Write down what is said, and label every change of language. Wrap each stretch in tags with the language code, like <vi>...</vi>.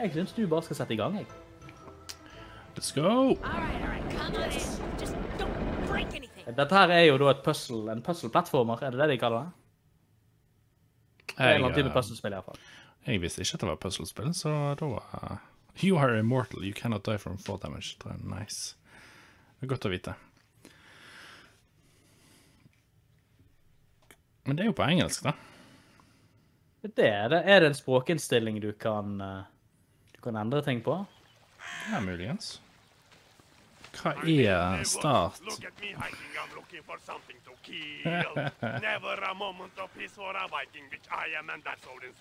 <no>Jeg synes du bare skal sette i gang, jeg.</no> <en>Let's go!</en> <no>Dette her er jo da en puzzle-plattformer, er det det de kaller det? Det er en type puzzle-spill i hvert fall. Jeg visste ikke at det var puzzle-spill, så da var...</no> <en>You are immortal, you cannot die from fall damage.</en> <no>Det er nice. Det er godt å vite. Men det er jo på engelsk, da. Det er det. Er det en språkinnstilling du kan endre ting på? Ja, muligens. Hva er start?</no> <en>Never a moment of peace for a viking which I am and that's Odin's</en>